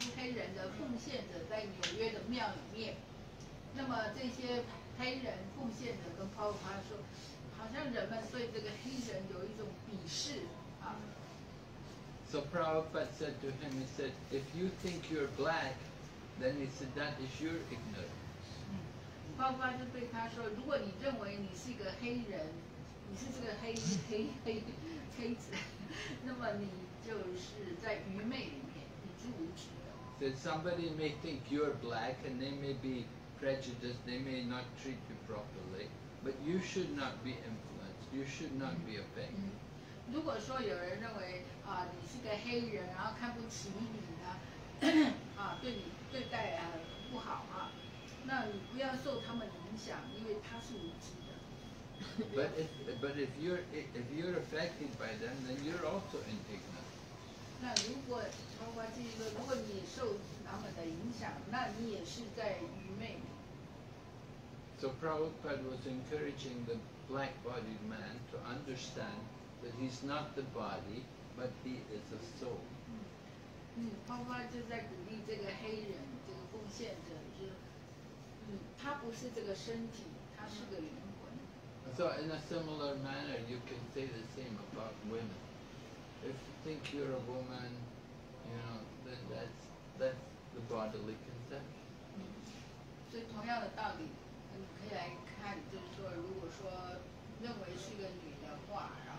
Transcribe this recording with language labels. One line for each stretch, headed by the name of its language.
Chinese: 人的奉献者在纽约的庙里面，那么这些黑人奉献者跟泡泡说，好像人们对这个黑人有一种鄙视啊。
English: So Prabhupada said to him, he said, if you think you're black, then he said, that is your ignorance.
Chinese: Prabhupada 就对他说，如果你认为你是一个黑人，你是这个黑子，那么你就是在愚昧里面，你是无知的。
English: That somebody may think you're black and they may be prejudiced, they may not treat you properly, but you should not be influenced, you should not be offended.
Chinese: 如果说有人认为啊你是个黑人，然后看不起你呢，啊对你对待啊不好啊，那你不要受他们影响，因为他是无知的。
English: But if you're affected by them, then you're also indignant.
Chinese: 那如果包括这个，如果你受他们的影响，那你也是在愚昧。
English: So Prabhupada was encouraging the black-bodied man to understand. That he's not the body, but he is a soul.
Chinese: 爸爸就在鼓励这个黑人，这个奉献者，就他不是这个身体，他是个灵魂。
English: So in a similar manner, you can say the same about women. If you think you're a woman, you know, then that's the bodily conception.
Chinese: 所以同样的道理，你可以来看，就是说，如果说认为是个女的话。